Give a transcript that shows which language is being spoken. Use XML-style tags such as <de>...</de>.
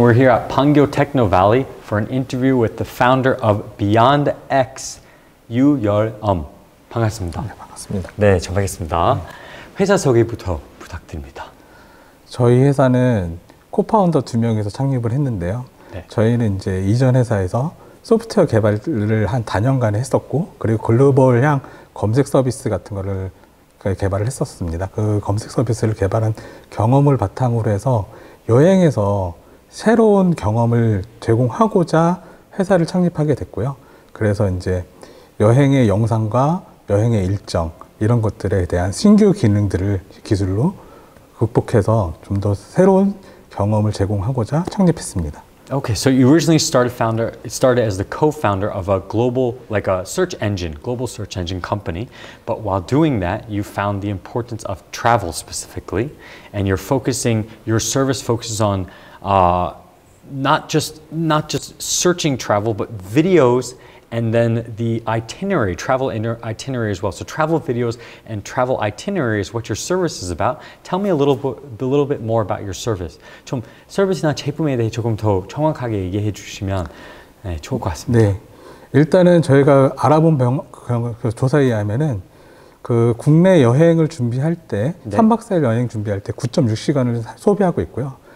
<en>We're here at Pangyo Techno Valley for an interview with the founder of Beyond X, 유열엄.</en> <ko>반갑습니다. 네, 반갑습니다. 네, 저 반갑습니다. 회사 소개부터 부탁드립니다. 저희 회사는 코파운더 두 명에서 창립을 했는데요. 네. 저희는 이제 이전 회사에서 소프트웨어 개발을 한 4년간 했었고, 그리고 글로벌향 검색 서비스 같은 거를 개발을 했었습니다. 그 검색 서비스를 개발한 경험을 바탕으로 해서 여행에서 새로운 경험을 제공하고자 회사를 창립하게 됐고요. 그래서 이제 여행의 영상과 여행의 일정 이런 것들에 대한 신규 기능들을 기술로 극복해서 좀 더 새로운 경험을 제공하고자 창립했습니다.</ko> <en>Okay, so you originally started as the co-founder of a global, like a search engine, global search engine company. But while doing that, you found the importance of travel specifically, and you're focusing, your service focuses on not just searching travel, but videos and then the itinerary, travel itinerary as well. So travel videos and travel itinerary is what your service is about. Tell me a little bit more about your service.</en> <ko>좀 서비스나 제품에 대해 조금 더 정확하게 얘기해 주시면 네, 좋을 것 같습니다. 네, 일단은 저희가 알아본 조사에 의하면은 그 국내 여행을 준비할 때 3박 4일 여행 준비할 때 9.6시간을 소비하고 있고요.</ko>